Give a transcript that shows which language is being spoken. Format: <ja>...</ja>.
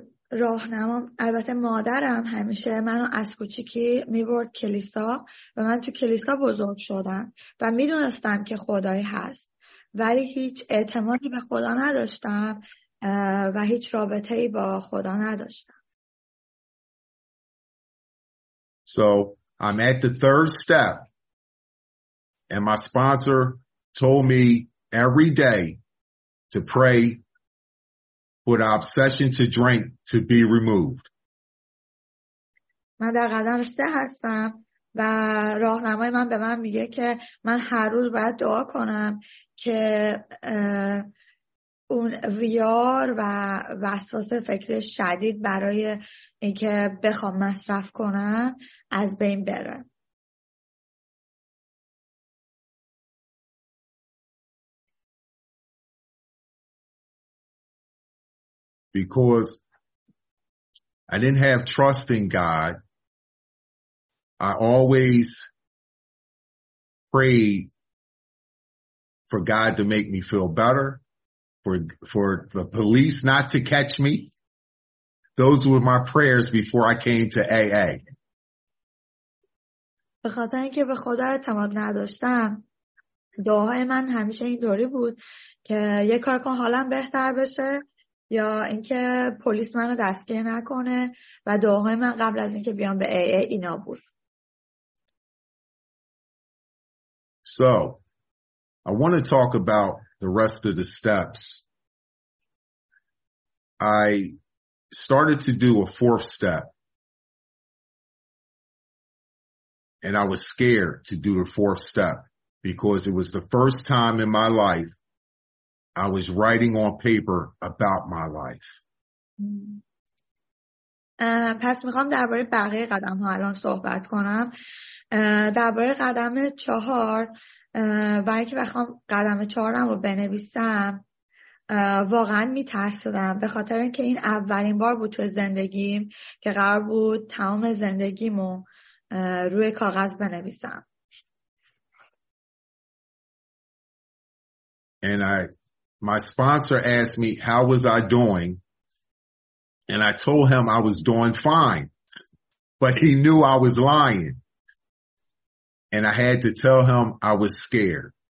<fa>راهنمام البته مادرم همیشه منو از کوچیکی میبرد کلیسا و من تو کلیسا بزرگ شدم و میدونستم که خدایی هست ولی هیچ اعتمادی به خدا نداشتم و هیچ رابطه‌ای با خدا نداشتم.</fa> <en>So I'm at the third step and my sponsor told me every day to pray for the obsession to drink to be removed.</en> <fa>من در قدم سه هستم و راهنمای من به من میگه که من هر روز باید دعا کنم که اون ویار و وسواس فکر شدید برای اینکه بخوام مصرف کنم از بین بره.</fa> <en>Because I didn't have trust in God, I always prayed for God to make me feel better, for the police not to catch me. Those were my prayers before I came to AA.</en> <fa>به خاطر اینکه به خدا اعتماد نداشتم، دعای من همیشه اینطوری بود که یه کار کن حالم بهتر بشه. یا اینکه پلیس منو دستگیر نکنه و دعاهای من قبل از اینکه بیام به AA اینا بود.</fa> <en>So, I want to talk about the rest of the steps. I started to do a fourth step. And I was scared to do the fourth step because it was the first time in my life I was writing on paper about my life.</en> <fa>پس میخوام درباره بقیه قدم ها الان صحبت کنم. درباره قدم چهار برای که بخوام قدم چهارم رو بنویسم واقعا میترسدم به خاطر اینکه این اولین بار بود تو زندگیم که قرار بود تمام زندگیمو روی کاغذ بنویسم.</fa> <en>My sponsor asked me, how was I doing? And I told him I was doing fine. But he knew I was lying. And I had to tell him I was scared.</en>